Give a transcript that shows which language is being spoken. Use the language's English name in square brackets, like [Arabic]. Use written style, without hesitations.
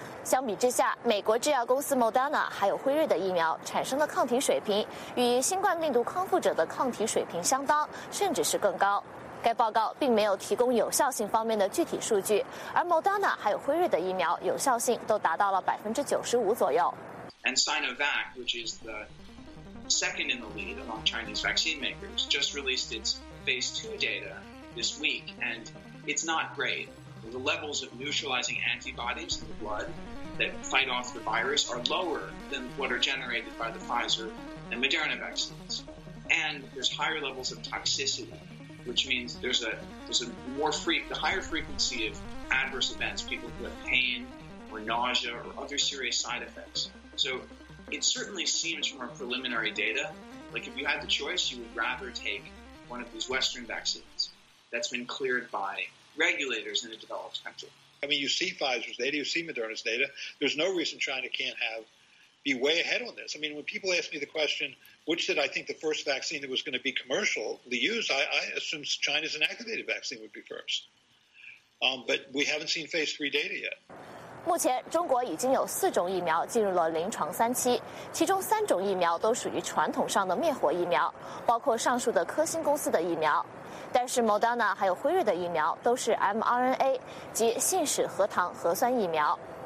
[Chinese] 相比之下，美国制药公司 Moderna 还有辉瑞的疫苗产生的抗体水平与新冠病毒康复者的抗体水平相当，甚至是更高。该报告并没有提供有效性方面的具体数据，而 Moderna 还有辉瑞的疫苗有效性都达到了95%左右。 [English] And Sinovac, which is the second in the lead among Chinese vaccine makers, just released its phase 2 data this week, and it's not great. The levels of neutralizing antibodies in the blood that fight off the virus are lower than what are generated by the Pfizer and Moderna vaccines, and there's higher levels of toxicity. Which means there's a more the higher frequency of adverse events, people who have pain or nausea or other serious side effects. So it certainly seems from our preliminary data, like if you had the choice, you would rather take one of these Western vaccines that's been cleared by regulators in a developed country. I mean, you see Pfizer's data, you see Moderna's data. There's no reason China can't be way ahead on this. I mean, when people ask me the question,which did I think the first vaccine that was going to be commercially used, I assumed China's inactivated vaccine would be first. But we haven't seen phase 3 data yet. [Chinese] 目前中国已经有四种疫苗进入了临床三期，其中三种疫苗都属于传统上的灭活疫苗，包括上述的科兴公司的疫苗。但是 Moderna 还有辉瑞的疫苗都是 mRNA, 即信使核糖核酸疫苗。